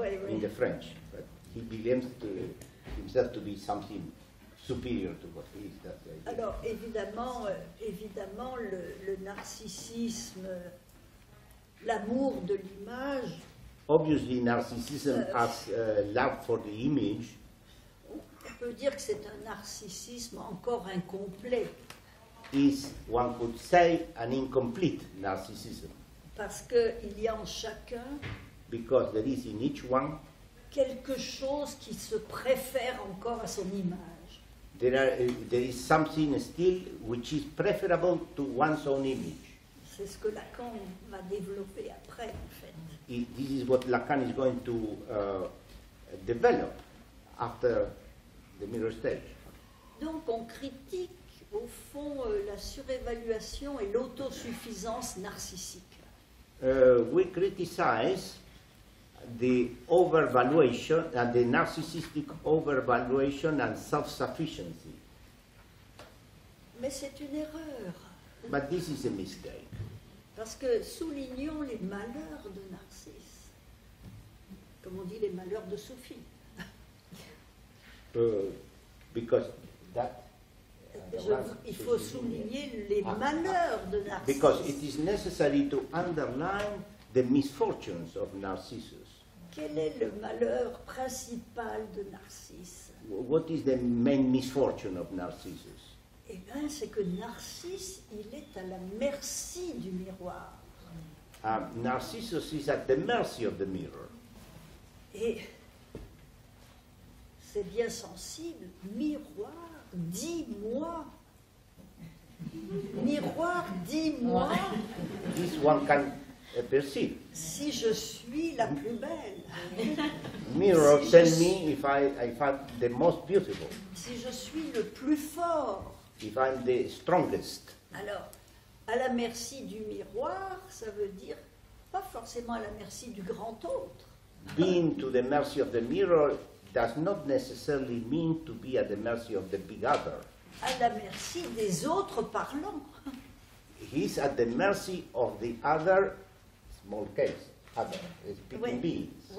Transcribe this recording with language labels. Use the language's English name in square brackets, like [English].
[English] In the French, but he believes to himself to be something superior to what he is. That's the idea. [French] Alors, évidemment, évidemment, le narcissisme, l'amour de l'image. [English] Obviously, narcissism as love for the image. [French] On peut dire que c'est un narcissisme encore incomplet. [English] Is, one could say, an incomplete narcissism. [French] Parce qu'il y a en chacun. [English] Because there is in each one. [French] Quelque chose qui se préfère encore à son image. [English] There is something still which is preferable to one's own image. [French] C'est ce que Lacan va développer après, en fait. [English] This is what Lacan is going to develop after the mirror stage. [French] Donc on critique au fond la surévaluation et l'autosuffisance narcissique. [English] We criticize the overvaluation and the narcissistic overvaluation and self-sufficiency. [French] Mais c'est une erreur. [English] But this is a mistake. [French] Parce que soulignons les malheurs de Narcisse, comme on dit les malheurs de Sophie. [English] Because that. [French] Il faut souligner les malheurs de Narcisse. [English] Because it is necessary to underline the misfortunes of Narcissus. [French] Quel est le malheur principal de Narcisse? [English] What is the main misfortune of Narcissus? [French] Eh bien, c'est que Narcisse, il est à la merci du miroir. [English] Narcissus is at the mercy of the mirror. [French] Et c'est bien sensible. Miroir, dis-moi. Miroir, dis-moi. [English] This one can perceive. [French] Si je suis la plus belle. [English] Mirror, si tell me if I'm the most beautiful. [French] Si je suis le plus fort. [English] If I'm the strongest. [French] Alors, à la merci du miroir, ça veut dire pas forcément à la merci du grand autre. [English] Being to the mercy of the mirror does not necessarily mean to be at the mercy of the big other. [French] À la merci des autres parlants. [English] He's at the mercy of the other, small case, other, speaking [French] oui. [English] beings.